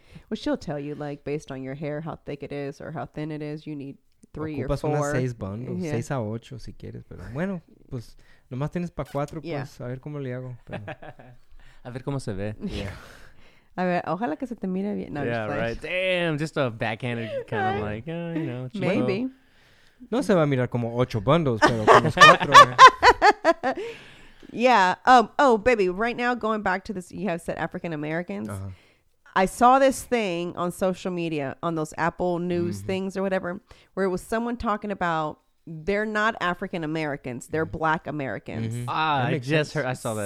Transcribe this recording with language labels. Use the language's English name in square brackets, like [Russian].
[English] Well, she'll tell you, like, based on your hair, how thick it is or how thin it is, you need 3 or 4. [Spanish] Ocupas unas [English] 6 bundles. Yeah. [Spanish] 6 a 8, si quieres. Pero bueno, pues, nomás tienes para 4, yeah. Pues, a ver cómo le hago. A ver cómo se ve. Yeah. A ver, ojalá que se te mire bien. No, [English] yeah, just right. Like, damn, just a backhanded kind of like, you know. Chill. Maybe. [Spanish] No se va a mirar como 8 bundles, pero como 4. [English] Yeah. Baby, right now, going back to this, you have said African Americans. Uh-huh. I saw this thing on social media, on those Apple News things or whatever, where it was someone talking about they're not African Americans. They're Black Americans. Mm-hmm. Ah, I just heard. I saw that.